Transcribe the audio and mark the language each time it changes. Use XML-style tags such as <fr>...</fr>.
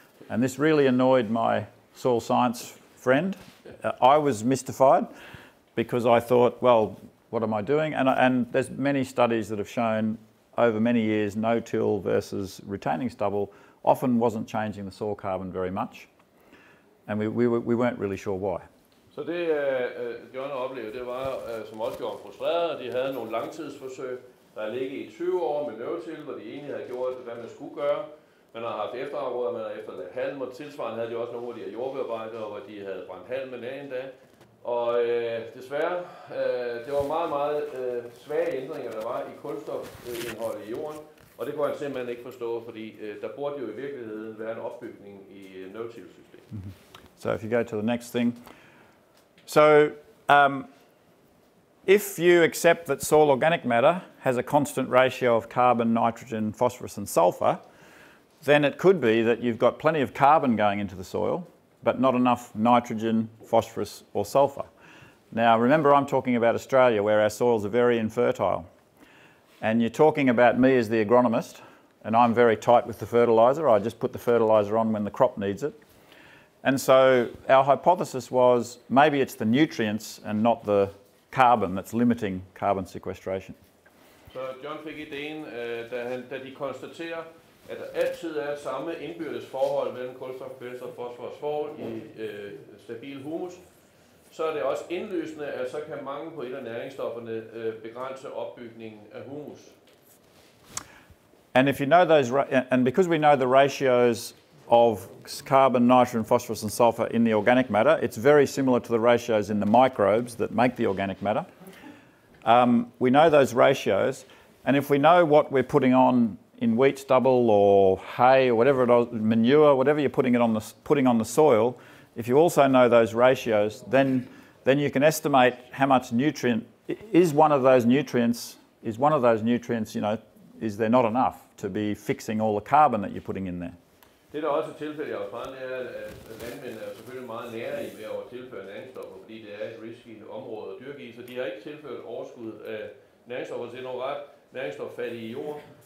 <en>And this really annoyed my soil science friend. I was mystified because I thought, well, what am I doing? And there's many studies that have shown over many years, no-till versus retaining stubble often wasn't changing the soil carbon very much. And we weren't really sure why.</en> <da>Så det, John oplevede, det var, som også gjorde frustreret, at de havde nogle langtidsforsøg, der ligger i 20 år med no-till, hvor de egentlig havde gjort, hvad man skulle gøre. Man har haft efterafgrøder, man har efterladt halm, og tilsvarende havde de også nogle af de her jordbearbejdere, hvor de havde brændt halm en dag endda. Og desværre, det var meget, meget svage ændringer, der var i kulstofindholdet i jorden, og det kunne han simpelthen ikke forstå, fordi der burde jo i virkeligheden være en opbygning i no-till-systemet.</da> <en>So if you go to the next thing. So if you accept that soil organic matter has a constant ratio of carbon, nitrogen, phosphorus and sulfur, then it could be that you've got plenty of carbon going into the soil, but not enough nitrogen, phosphorus or sulfur. Now remember, I'm talking about Australia where our soils are very infertile. And you're talking about me as the agronomist, and I'm very tight with the fertiliser. I just put the fertiliser on when the crop needs it. And so our hypothesis was maybe it's the nutrients and not the carbon that's limiting carbon sequestration.</en> <da>Så John fik ideen, da de konstaterer, at der altid er samme indbyrdes forhold mellem kulstof, kvælstof og fosfors forhold i stabil humus, så er det også indlysende, at så kan mangel på et af næringsstofferne begrænse opbygningen af humus.</da> <en>And if you know those, and because we know the ratios of carbon, nitrogen, phosphorus and sulfur in the organic matter, it's very similar to the ratios in the microbes that make the organic matter. We know those ratios, and if we know what we're putting on in wheat stubble or hay or whatever it is, manure, whatever you're putting on the soil, if you also know those ratios, then you can estimate how much nutrient is one of those nutrients, you know, is there not enough to be fixing all the carbon that you're putting in there.</en> <da>Det, der også er tilfældet i Australien, er, at landmænd er selvfølgelig meget nære i ved at tilføre næringsstoffer, fordi det er et risky område at dyrke i, så de har ikke tilført overskud af næringsstoffer til noget ret næringsstoffattige jord.</da>